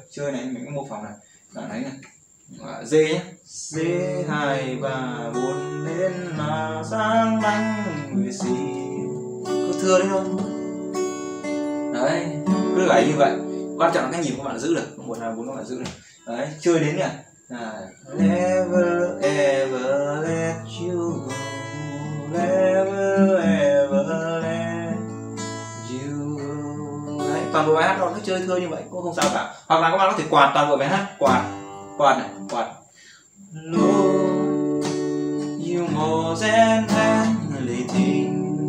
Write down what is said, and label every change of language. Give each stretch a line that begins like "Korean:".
Vietnamese: Chơi này mình mô phỏng này, bạn đánh này D nhá, C 2 3 4 lên là sang đánh người gì cứ thưa đấy không đấy, cứ gảy như vậy. Quan trọng là cái nhịp các bạn giữ được, một nào bốn các bạn giữ được đấy, chơi đến nhỉ.
English: Never ever let you go, never ever let you go.
Vietnamese: Đấy, toàn bộ bài hát đó cứ chơi thưa như vậy cũng không sao cả. Hoặc là các bạn có thể quạt toàn bộ bài hát, quạt này, quạt.
English: Lord, you more than anything.